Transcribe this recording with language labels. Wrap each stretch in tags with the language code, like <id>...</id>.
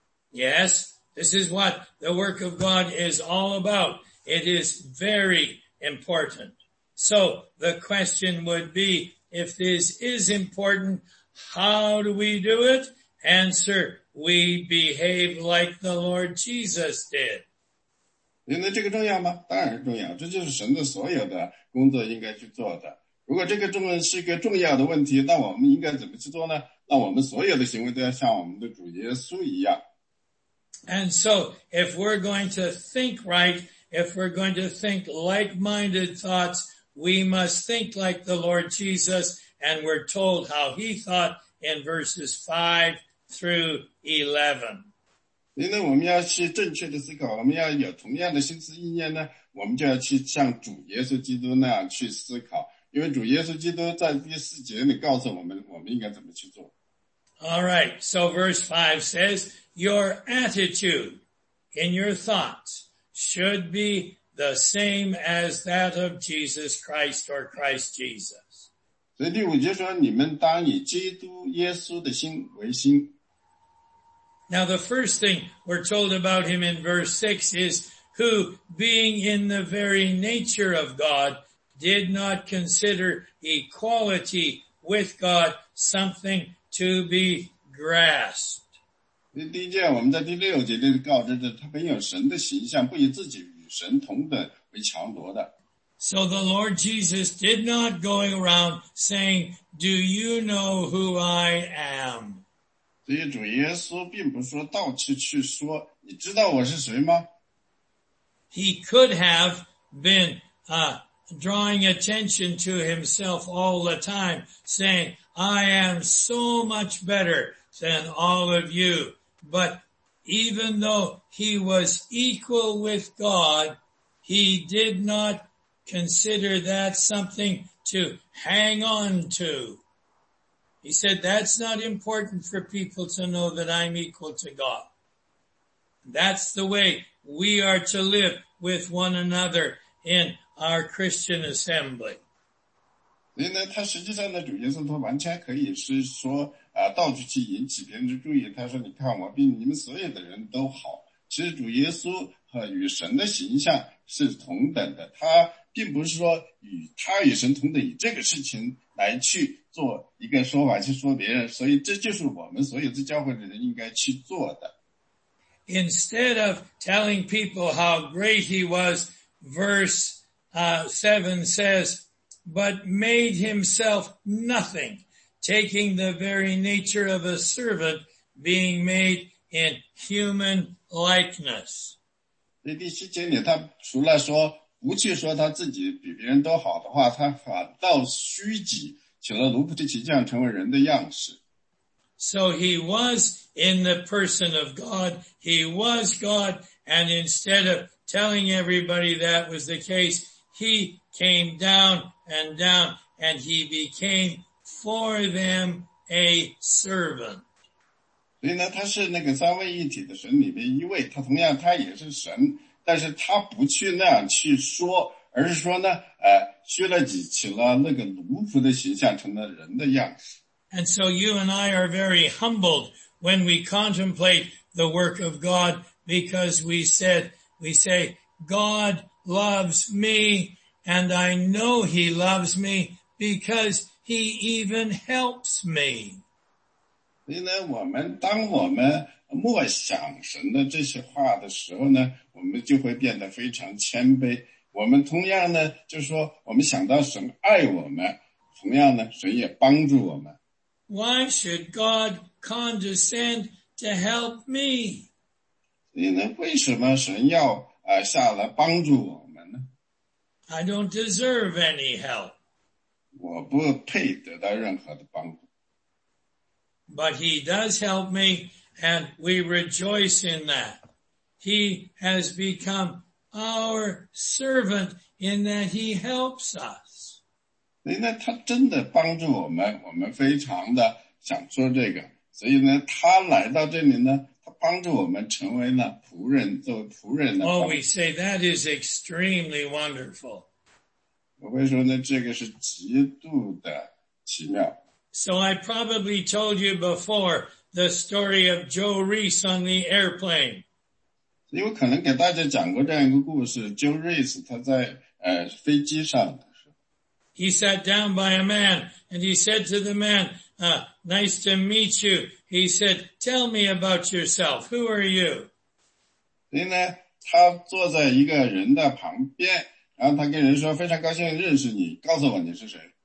<en>Yes, this is what the work of God is all about. It is very important. So the question would be, if this is important, how do we do it? Answer, we behave like the Lord Jesus did.</en> <zh>那这个重要吗? 当然重要,这就是神的所有的工作应该去做的。如果这个重要是一个重要的问题,那我们应该怎么去做呢? 让我们所有的行为都要像我们的主耶稣一样。</zh> <en>And so, if we're going to think right, if we're going to think like-minded thoughts, we must think like the Lord Jesus, and we're told how he thought in verses 5 through 11.</en> <zh>因为我们要去正确的思考，我们要有同样的心思意念呢，我们就要去像主耶稣基督那样去思考。因为主耶稣基督在第四节里告诉我们，我们应该怎么去做。</zh> <en>All right, so verse 5 says, your attitude in your thoughts should be the same as that of Jesus Christ or Christ Jesus.</en> <zh>所以第五节说，你们当以基督耶稣的心为心。</zh> <en>Now the first thing we're told about him in verse 6 is who, being in the very nature of God, did not consider equality with God something to be grasped.</en> <zh>第一件我们在第六节里告知的，他本有神的形象，不以自己与神同等为强夺的。</zh> <en>So the Lord Jesus did not go around saying, do you know who I am?</en> <zh>所以主耶稣并不说到处去说，你知道我是谁吗？</zh> <en>He could have been, drawing attention to himself all the time, saying, I am so much better than all of you. But even though he was equal with God, he did not consider that something to hang on to. He said, that's not important for people to know that I'm equal to God. That's the way we are to live with one another in our Christian assembly.</en> <zh>所以呢，他实际上呢，主耶稣他完全可以是说，到处去引起别人的注意。他说，你看我比你们所有的人都好。其实主耶稣和与神的形象是同等的。他并不是说与他与神同等，以这个事情来去做一个说法去说别人。所以这就是我们所有在教会的人应该去做的。</zh> <en>Instead of telling people how great he was, verse 7 says, but made himself nothing, taking the very nature of a servant, being made in human likeness.</en> <zh>第七节里他除了说不去说他自己比别人都好的话，他反倒虚己，起了奴仆的形象，成为人的样式。</zh> <en>So he was in the person of God, he was God, and instead of telling everybody that was the case, he came down and down, and he became for them a servant.</en> <zh>所以呢，他是那个三位一体的神里面一位，他同样他也是神，但是他不去那样去说，而是说呢，虚了己，起了那个奴仆的形象，成了人的样式。</zh> <en>And so you and I are very humbled when we contemplate the work of God because we say, God loves me and I know he loves me because he even helps me.</en> <zh>所以呢，我们当我们默想神的这些话的时候呢，我们就会变得非常谦卑。我们同样呢，就是说我们想到神爱我们，同样呢，神也帮助我们。</zh> <en>Why should God condescend to help me?</en> <zh>为什么神要下来帮助我们呢？</zh> <en>I don't deserve any help.</en> <zh>我不配得到任何的帮助。</zh> <en>But he does help me, and we rejoice in that. He has become our servant in that he helps us.</en> <zh>所以呢，他真的帮助我们，我们非常的想说这个。所以呢，他来到这里呢，他帮助我们成为了仆人，做仆人的。</zh> <en>Oh, we say that is extremely wonderful.</en> <zh>我会说呢，这个是极度的奇妙。</zh> <en>So I probably told you before the story of Joe Reece on the airplane.</en> <zh>所以我可能给大家讲过这样一个故事 ，Joe Reece 他在飞机上。</zh> <en>He sat down by a man, and he said to the man, nice to meet you. He said, tell me about yourself. Who are you?</en> <zh>所以呢，他坐在一个人的旁边，然后他跟人说，非常高兴认识你，告诉我你是谁。</zh>